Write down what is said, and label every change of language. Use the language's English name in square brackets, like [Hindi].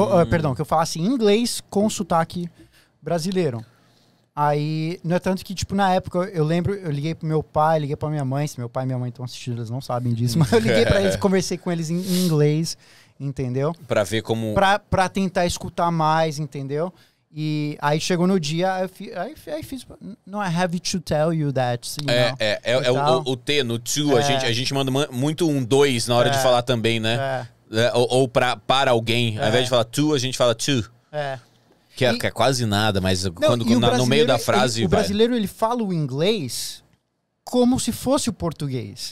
[Portuguese] Perdão, que eu falasse inglês com sotaque brasileiro. Aí, não é tanto que, tipo, na época, eu lembro, eu liguei pro meu pai, liguei pra minha mãe, se meu pai e minha mãe estão assistindo, eles não sabem disso, mas eu liguei pra eles, conversei com eles em inglês, entendeu? Pra ver como... Pra tentar escutar mais, entendeu? E aí chegou no dia, aí fiz, [English] no, I have to tell you that, you know? [Portuguese] O T, no to, a gente manda muito um dois na hora de falar também, né? Ou para alguém, ao invés de falar to, a gente fala to. Que é quase nada, mas não, quando no meio da frase... O brasileiro, ele fala o inglês como se fosse o português.